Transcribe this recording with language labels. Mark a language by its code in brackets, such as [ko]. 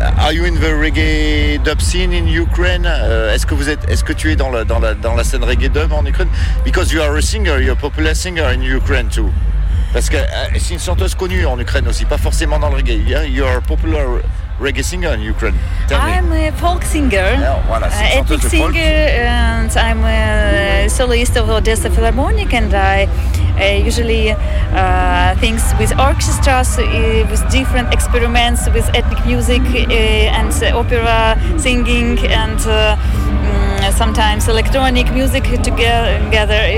[en] Are you in the reggae dub scene in Ukraine? [fr] Est-ce que tu es dans la scène reggae dub en Ukraine? [en] Because you are a singer, you're a popular singer in Ukraine too. [fr] Parce que c'est une chanteuse connue en Ukraine aussi, pas forcément dans le reggae. [en] Yeah? You are a popular reggae singer in Ukraine. Tell me. I'm a folk singer. Epic singer, and I'm a soloist of Odessa Philharmonic, and I usually things with orchestras, with different experiments with ethnic music and opera singing, and sometimes electronic music together.